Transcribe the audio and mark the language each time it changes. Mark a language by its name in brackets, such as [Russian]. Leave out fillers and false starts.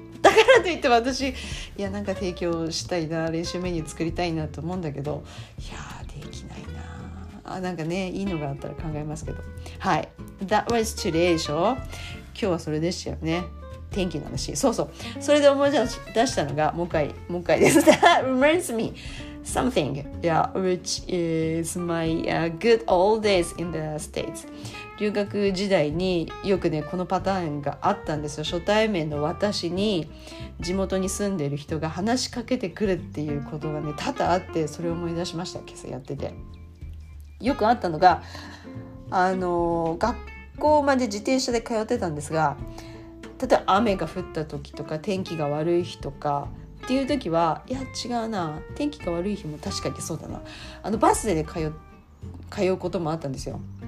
[Japanese] だからといっても私、いやなんか提供したいな、練習メニュー作りたいなと思うんだけど、いやできないな。あ、なんかね、いいのがあったら考えますけど、はい、 [English] That was today [Japanese] でしょ。今日はそれでしたよね、天気の話。そうそう、それで思い出したのが、もう一回です。 [English] That reminds me something. Yeah, which is my good old days in the States. [Japanese] 留学時代によくね、このパターンがあったんですよ。初対面の私に地元に住んでる人が話しかけてくるっていうことがね、多々あって、それを思い出しました。今朝やってて。よくあったのが、学校まで自転車で通ってたんですが、例えば雨が降った時とか天気が悪い日とかっていう時は、いや違うな、天気が悪い日も確かにそうだな、バスで、ね、通うこともあったんですよ。